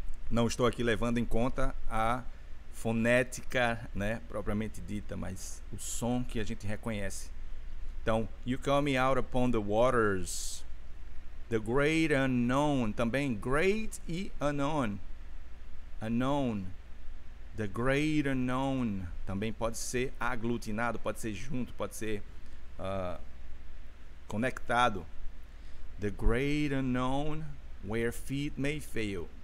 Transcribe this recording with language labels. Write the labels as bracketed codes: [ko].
[pt] Não estou aqui levando em conta a fonética, né, propriamente dita, mas o som que a gente reconhece. Então, [en] you call me out upon the waters, the great unknown. [pt] Também great e unknown. The great unknown também pode ser aglutinado, pode ser junto, pode ser conectado. [en] The great unknown where feet may fail.